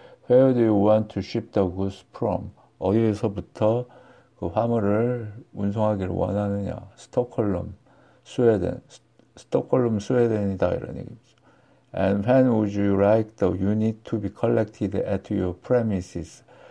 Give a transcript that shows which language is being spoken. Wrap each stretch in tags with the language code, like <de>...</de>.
<en>Where do you want to ship the goods from?</en> <ko>어디에서부터 그 화물을 운송하기를 원하느냐? 스톡홀름, 스웨덴. 스톡홀름, 스웨덴이다 이런 얘기죠.</ko> <en>And when would you like the unit to be collected at your premises?</en>